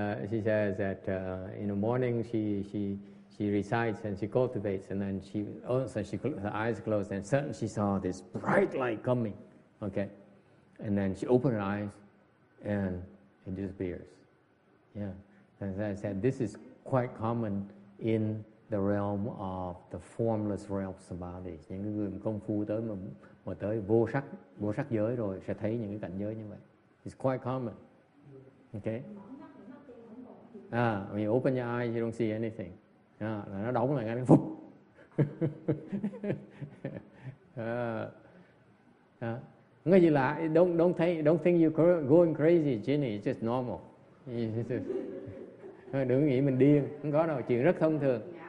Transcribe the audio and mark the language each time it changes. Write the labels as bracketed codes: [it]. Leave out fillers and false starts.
[en] She says that in the morning she recites and she cultivates, and then she also her eyes closed, and suddenly she saw this bright light coming. Okay, and then she opened her eyes, and it disappears. Yeah. As I said, this is quite common in the realm of the formless realm samadhi. [vi] Những cái người công phu tới mà tới vô sắc giới rồi sẽ thấy những cái cảnh giới như vậy. [en] It's quite common. Okay. When you open your eyes, you don't see anything. [vi] Là nó đóng lại ngay phục. Ngay như là [en] don't think you're going crazy, Jenny. It's just normal. [vi] Đừng nghĩ mình điên, không có đâu, chuyện rất thông thường.